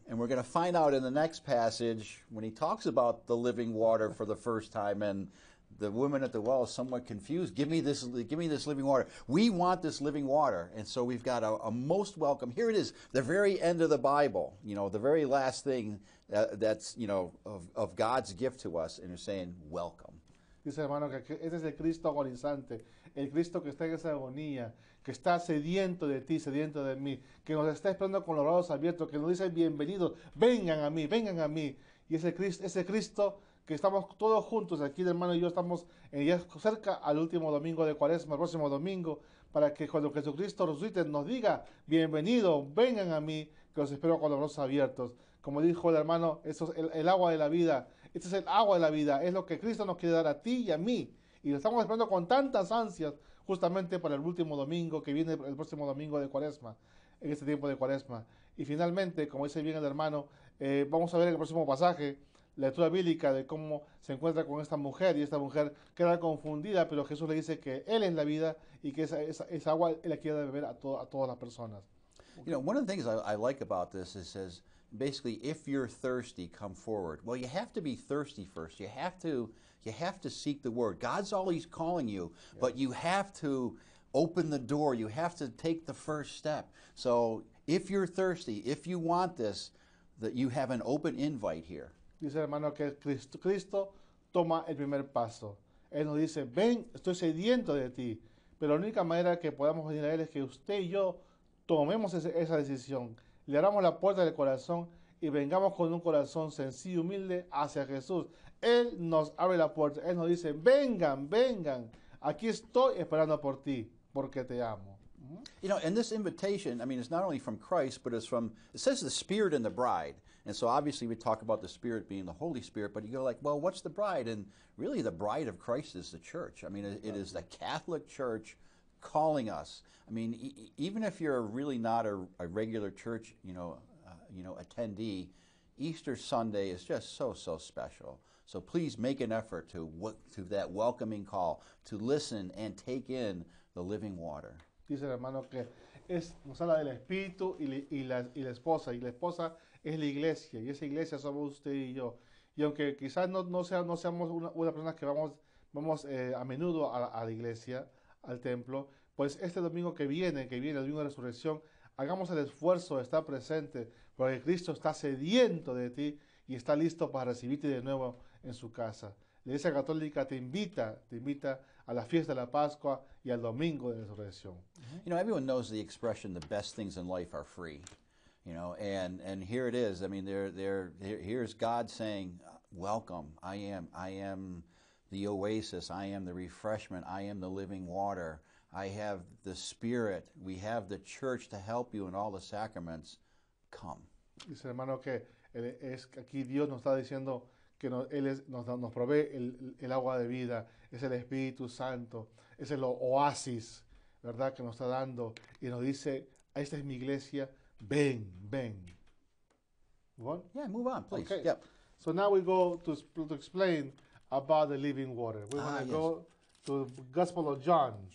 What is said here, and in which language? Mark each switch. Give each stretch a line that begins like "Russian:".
English: And we're going to find out in the next passage when he talks about the living water for the first time. And the woman at the well is somewhat confused. Give me this living water. We want this living water. And so we've got a most welcome. Here it is, the very end of the Bible. You know, the very last thing that's, you know, of God's gift to us. And he's saying, welcome.
Spanish: Dice hermano que ese es el Cristo agonizante, el Cristo que está en esa agonía, que está sediento de ti, sediento de mí, que nos está esperando con los brazos abiertos, que nos dice bienvenidos, vengan a mí, y ese Cristo que estamos todos juntos aquí, hermano y yo, estamos ya cerca al último domingo de Cuaresma, el próximo domingo, para que cuando Jesucristo resucite nos diga, bienvenido, vengan a mí, que los espero con los brazos abiertos. Como dijo el hermano, eso es el agua de la vida. Este es el agua de la vida. Es lo que Cristo nos quiere dar a ti y a mí. Y lo estamos esperando con tantas ansias justamente para el último domingo que viene, el próximo domingo de Cuaresma, en este tiempo de Cuaresma. Y finalmente, como dice bien el hermano, vamos a ver en el próximo pasaje la lectura bíblica de cómo se encuentra con esta mujer, y esta mujer queda confundida, pero Jesús le dice que Él es la vida y que esa agua Él la quiere beber a todas las personas.
English: You know, one of the things I like about this is says, basically, if you're thirsty, come forward. Well, you have to be thirsty first. You have to seek the word. God's always calling you, but you have to open the door. You have to take the first step. So if you're thirsty, if you want this, that you have an open invite here.
Spanish: Dice hermano que Cristo toma el primer paso. Él nos dice, ven, estoy sediento de ti. Pero la única manera que podamos venir a Él es que usted y yo tomemos esa decisión. Le abramos la puerta del corazón y vengamos con un corazón sencillo y humilde hacia Jesús. Él nos abre la puerta. Él nos dice, vengan, vengan. Aquí estoy esperando por ti, porque te amo.
English: You know, and this invitation, I mean, it's not only from Christ, but it's from, it says the Spirit and the Bride. And so obviously we talk about the Spirit being the Holy Spirit, but you go like, well, what's the Bride? And really the Bride of Christ is the Church. I mean, it is the Catholic Church calling us. I mean, even if you're really not a regular church, attendee, Easter Sunday is just so, so special. So please make an effort to that welcoming call, to listen and take in the living water.
Spanish: Dice el hermano que es, nos habla del Espíritu y la esposa. Y la esposa es la iglesia. Y esa iglesia somos usted y yo. Y aunque quizás no seamos una persona que vamos a menudo a la iglesia, al templo, pues este domingo que viene el domingo de resurrección, hagamos el esfuerzo de estar presente, porque Cristo está sediento de ti y está listo para recibirte de nuevo en su casa. La Iglesia Católica te invita a la fiesta de la Pascua y al domingo de resurrección.
English: You know, everyone knows the expression, the best things in life are free. You know, and here it is. I mean, here's God saying, welcome. I am the oasis. I am the refreshment. I am the living water. I have the Spirit. We have the Church to help you in all the sacraments. Come.
Spanish: Dice el hermano que es aquí Dios nos está diciendo que nos provee el agua de vida, es el Espíritu Santo, es el oasis, ¿verdad?, que nos está dando y nos dice, esta es mi iglesia, ven, ven.
English: Move on, please. Okay. Yep. So now we go to explain about the living water. We're going to go to the Gospel of John.